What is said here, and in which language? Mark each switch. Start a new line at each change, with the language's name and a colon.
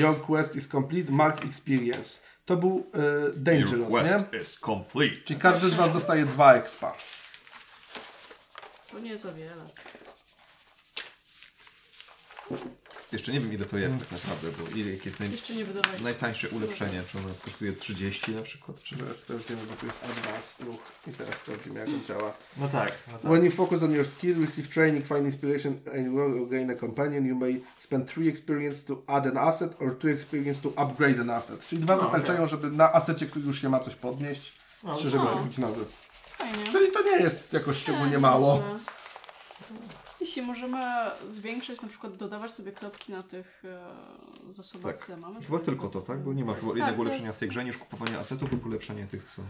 English: Your quest is complete, mark experience.
Polish: To był dangerous,
English: your quest
Polish: nie?
English: Is complete.
Polish: Czyli każdy z was dostaje 2 expa. To nie za wiele. Jeszcze nie wiem, ile to jest tak naprawdę, bo ile jest najtańsze ulepszenie. Czy ono kosztuje 30 na przykład? Czy teraz sprawdzimy, bo to jest advanced ruch i teraz sprawdzimy, jak on działa. No tak, no tak.
English: When you focus on your skill, receive training, find inspiration and will gain a companion, you may spend 3 experience to add an asset or 2 experience to upgrade an asset.
Polish: Czyli dwa wystarczają, żeby na asecie, który już nie ma, coś podnieść, czy żeby kupić nowy. Fajnie. Czyli to nie jest jakoś szczególnie mało. Jeśli możemy zwiększać, na przykład dodawać sobie kropki na tych zasobach, tak, które mamy. Chyba tylko to, tak? Bo nie ma chyba innego ulepszenia jest... w tej grze niż kupowanie asetów lub ulepszenie tych, co...